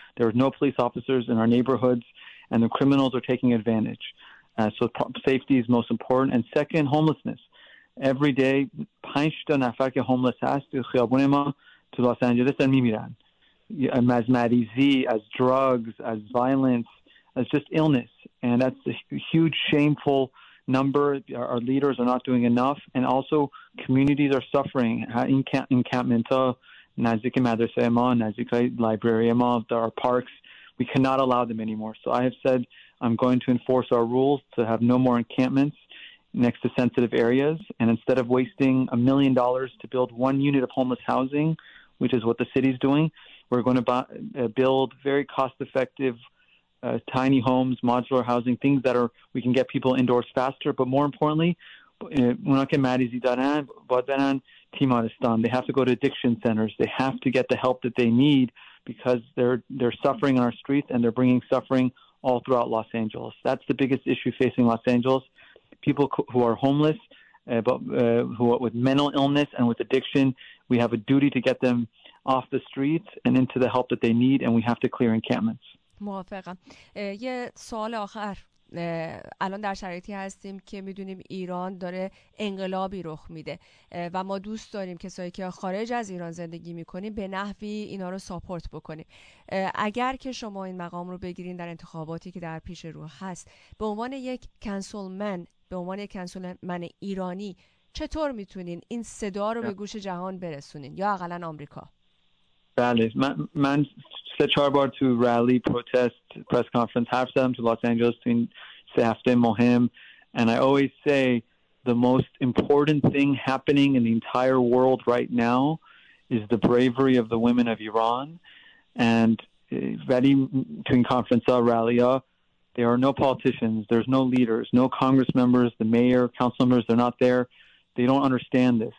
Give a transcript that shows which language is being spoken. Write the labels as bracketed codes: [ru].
[en] There are no police officers in our neighborhoods, and the criminals are taking advantage. So safety is most important. And second, homelessness. Every day, [fa] 5 تا نفر که هوملس هست تو خیابون ما تو لس آنجلس دارن میمیرن. از مریضی, از [en] drugs, [fa] از [en] violence, [fa] از [en] just illness. And that's a huge, shameful number. Our leaders are not doing enough. And also, communities are suffering. [fa] Encampment ها, نزدیک مدرسه ما, نزدیک library ما, [en] there are parks. We cannot allow them anymore. So I have said, I'm going to enforce our rules to have no more encampments next to sensitive areas, and instead of wasting $1 million to build one unit of homeless housing, which is what the city's doing, we're going to build very cost-effective tiny homes, modular housing, things that are we can get people indoors faster. But more importantly, we're not getting Maddie Zidane, but then on Timaristan, they have to go to addiction centers. They have to get the help that they need, because they're suffering on our streets, and they're bringing suffering all throughout Los Angeles. That's the biggest issue facing Los Angeles. People who are homeless, but with mental illness and with addiction, we have a duty to get them off the streets and into the help that they need, and we have to clear encampments. [fa] موافقم. یه سوال آخر الان در شرایطی هستیم که میدونیم ایران داره انقلابی رخ میده و ما دوست داریم کسایی که خارج از ایران زندگی میکنیم به نحوی اینا رو ساپورت بکنیم. اگر که شما این مقام رو بگیرین در انتخاباتی که در پیش رو هست، به عنوان یک کنسولمن، به عنوان یک کنسولمن ایرانی، چطور میتونین این صدا رو به گوش جهان برسونین یا حداقل آمریکا؟ بله، من 3-4 بار تو رالی، پروتست، پرس کانفرنس حرف زدم تو لس آنجلس تو این 3 هفته مهم. [en] And I always say the most important thing happening in the entire world right now is the bravery of the women of Iran. And [fa] ولی تو این کانفرنس ها، رالی ها، [en] there are no politicians, there's no leaders, no congress members, the mayor, council members, they're not there. They don't understand this.